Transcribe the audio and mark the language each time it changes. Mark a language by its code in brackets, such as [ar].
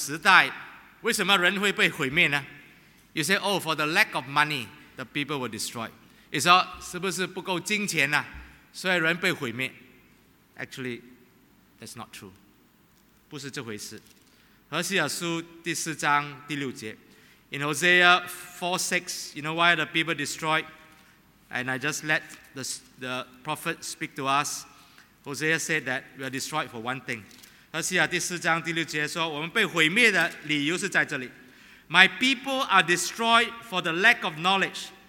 [zh] 你知道何西亚这个先知他的时代为什么人会被毁灭呢？ [en] You say, oh, for the lack of money, the people were destroyed. [zh] 你说是不是不够金钱啊，所以人被毁灭？ [en] Actually, that's not true. [zh] 不是这回事。何西亚书第四章第六节， [en] In Hosea 4:6, you know why the people destroyed? And I just let the prophet speak to us. Hosea said that we are destroyed for one thing. [zh] 何西亚第四章第六节说，我们被毁灭的理由是在这里。 [en] My people are destroyed for the lack of knowledge.